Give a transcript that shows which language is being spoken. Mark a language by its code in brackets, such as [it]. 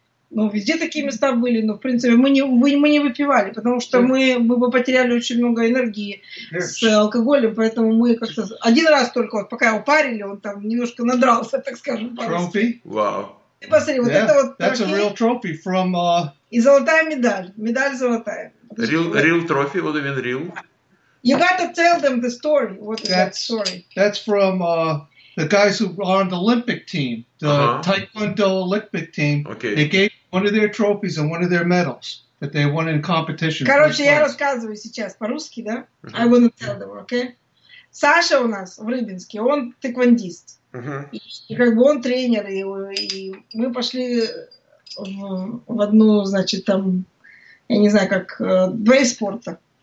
[ru] Ну, везде такие места были, но, в принципе, мы не выпивали, потому что мы бы потеряли очень много энергии с алкоголем, поэтому мы как-то... Один раз только, вот, пока его парили, он там немножко надрался, так скажем. Трофи? Вау. Ты посмотри, вот это вот... [en] That's a real trophy from... [ru] И золотая медаль, медаль золотая. [en] Real trophy, what do you mean real? You got to tell them the story, what is that story? That's from... The guys who are on the Olympic team, the Taekwondo Olympic team, they gave one of their trophies and one of their medals that they won in competition. [ru] Короче, я рассказываю сейчас по-русски, да? [en] I want to tell them, okay? [ru] Саша у нас в Рыбинске, он тэквондист. И как бы он тренер, и мы пошли в одну, значит, там, я не знаю, как, двое спорта.